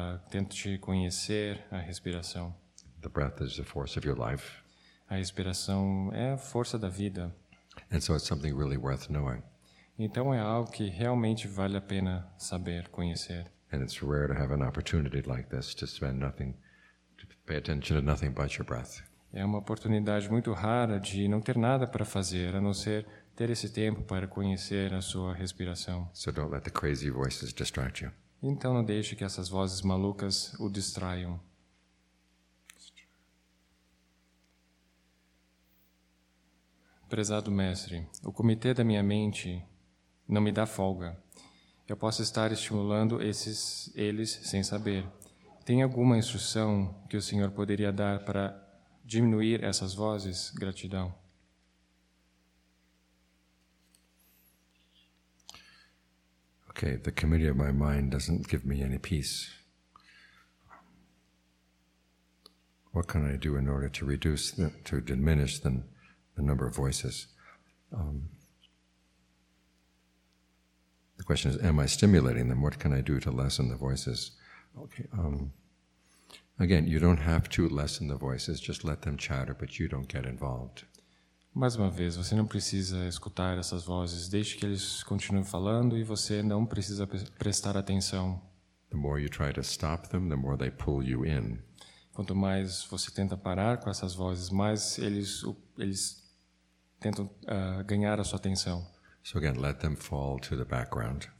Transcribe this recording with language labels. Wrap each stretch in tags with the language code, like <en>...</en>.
<pt>Tente conhecer a respiração.</pt> <en>The breath is the force of your life.</en> <pt>A respiração é a força da vida.</pt> <en>And so it's something really worth knowing.</en> <pt>Então é algo que realmente vale a pena saber, conhecer.</pt> <en>And it's rare to have an opportunity like this to spend nothing, to pay attention to nothing but your breath.</en> <pt>É uma oportunidade muito rara de não ter nada para fazer, a não ser ter esse tempo para conhecer a sua respiração.</pt> <en>So don't let the crazy voices distract you.</en> <pt>Então não deixe que essas vozes malucas o distraiam. Prezado mestre, o comitê da minha mente não me dá folga. Eu posso estar estimulando eles sem saber. Tem alguma instrução que o senhor poderia dar para diminuir essas vozes? Gratidão.</pt> <en>Okay, the committee of my mind doesn't give me any peace. What can I do in order to reduce to diminish the number of voices? The question is, am I stimulating them? What can I do to lessen the voices? Okay, again, you don't have to lessen the voices, just let them chatter, but you don't get involved.</en> <pt>Mais uma vez, você não precisa escutar essas vozes, deixe que eles continuem falando e você não precisa prestar atenção.</pt> <en>The more you try to stop them, the more they pull you in.</en> <pt>Quanto mais você tenta parar com essas vozes, mais eles tentam ganhar a sua atenção.</pt> <en>So again, let them fall to the background.</en>